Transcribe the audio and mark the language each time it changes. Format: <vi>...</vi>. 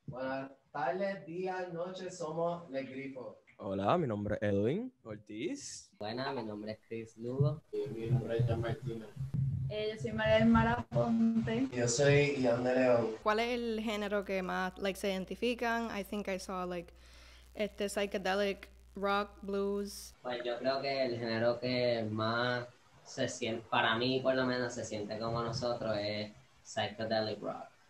<es>Bueno. Tardes, días, noches, somos Les Grifos. Hola, mi nombre es Edwin Ortiz. Buenas, mi nombre es Chris Lugo. Y mi nombre es Jean Martínez. Yo soy María del Maraponte. Yo soy Ian de León. ¿Cuál es el género que más, like, se identifican?</es> <en>I think I saw, like, psychedelic rock, blues.</en> <es>Pues yo creo que el género que más se siente, para mí por lo menos se siente como nosotros, es psychedelic rock.</es>